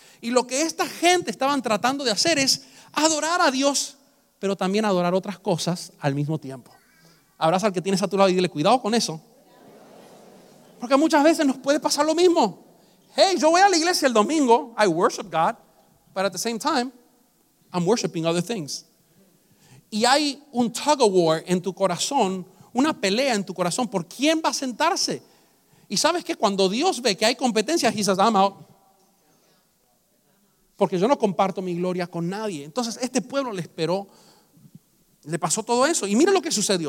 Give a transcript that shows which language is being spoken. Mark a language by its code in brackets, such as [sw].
[es] Y lo que esta gente estaban tratando de hacer es adorar a Dios, pero también adorar otras cosas al mismo tiempo. Abraza al que tienes a tu lado y dile, cuidado con eso. Porque muchas veces nos puede pasar lo mismo. Hey, yo voy a la iglesia el domingo. [en] I worship God. But at the same time, I'm worshiping other things. [es] Y hay un [en] tug of war [es] en tu corazón, una pelea en tu corazón por quién va a sentarse. Y sabes que cuando Dios ve que hay competencia, [en] He says, I'm out. [es] Porque yo no comparto mi gloria con nadie. Entonces este pueblo le esperó, le pasó todo eso. Y mira lo que sucedió.